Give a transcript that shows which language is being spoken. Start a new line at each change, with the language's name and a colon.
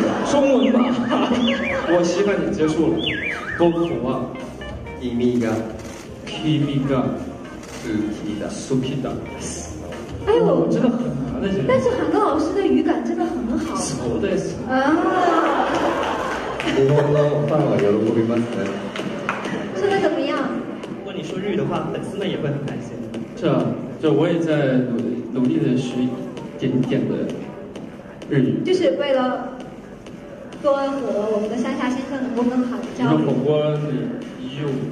Chinese: 中文吧。我稀罕你结束了。
Japanese: 僕は君が好きだ。
Chinese: 哎呦，真的很难的。但是韩庚老师的语感真的很好。
Japanese: そうです。
Chinese: 啊。
Japanese: 日本のファンは喜びますね。
Chinese: 说的怎么样？如果你说日语的话，粉丝们也会很开心。是啊，就我也在努力的学一点点的日语，就是为了多和我们的山下先生能够更好的交流。你们火锅里有？